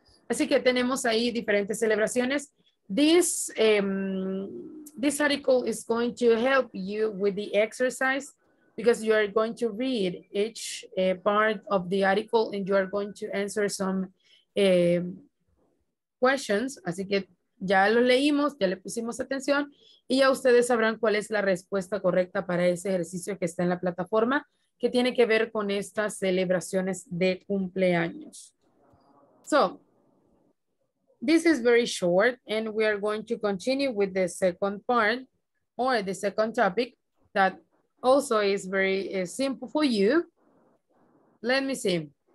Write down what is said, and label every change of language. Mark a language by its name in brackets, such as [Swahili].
[Spanish] Así que tenemos ahí diferentes celebraciones. [English] This article is going to help you with the exercise because you are going to read each part of the article and you are going to answer some questions. [Spanish] Así que ya lo leímos, ya le pusimos atención y ya ustedes sabrán cuál es la respuesta correcta para ese ejercicio que está en la plataforma que tiene que ver con estas celebraciones de cumpleaños. [English] So, this is very short and we are going to continue with the second part or the second topic that also is very simple for you. Let me see.